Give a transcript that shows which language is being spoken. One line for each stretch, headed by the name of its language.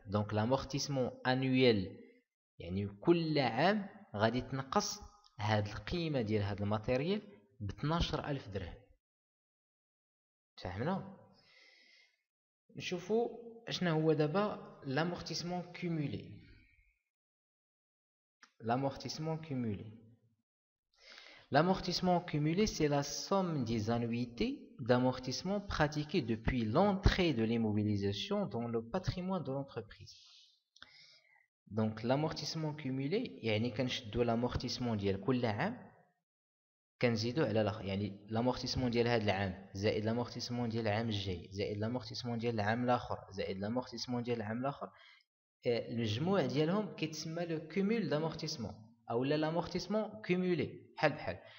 Arabic: دونك لامورتيسمون انويل يعني كل عام غادي تنقص هاد القيمه ديال هاد الماتيريال ب 12000 درهم. فهمنا؟ نشوفوا شنو هو دابا لامورتيسمون كومولي.
French: لامورتيسمون كومولي l'amortissement cumulé c'est la somme des annuités d'amortissement pratiquées depuis l'entrée de l'immobilisation dans le patrimoine de l'entreprise. Donc l'amortissement cumulé
Arabic: يعني كنشدو l'amortissement ديال كل عام كنزيدو على الاخر يعني l'amortissement ديال هذا العام زائد l'amortissement ديال العام الجاي زائد l'amortissement ديال العام الاخر زائد l'amortissement ديال العام الاخر المجموع ديالهم كيتسمى
French: لو كومول d'amortissement
Arabic: او
French: l'amortissement cumulé.
Arabic: حل بحال.